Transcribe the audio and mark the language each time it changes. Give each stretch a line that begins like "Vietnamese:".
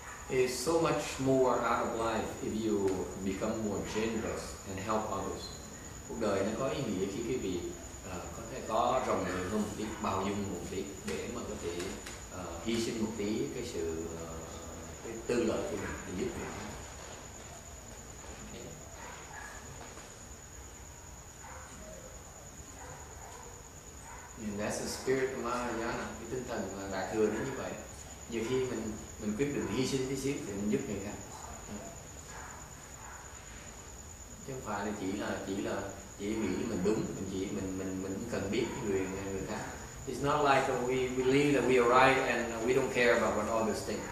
English: It's so much more out of life if you become more generous and help others.
Vietnamese: Cuộc đời nó có ý nghĩa khi quý vị có thể có rộng lượng hơn một tí, bao dung một tí để mà có thể hy sinh một tí cái sự cái tư lợi của mình để giúp người khác.
English: And that's the spirit of Mahayana,
Vietnamese: cái tinh thần mà đại thừa nó như vậy. Nhiều khi mình quyết định hy sinh tí xíu thì mình giúp người khác, chứ không phải là chỉ nghĩ mình đúng, mình cần biết người khác.
English: It's not like we believe that we are right and we don't care about what others think.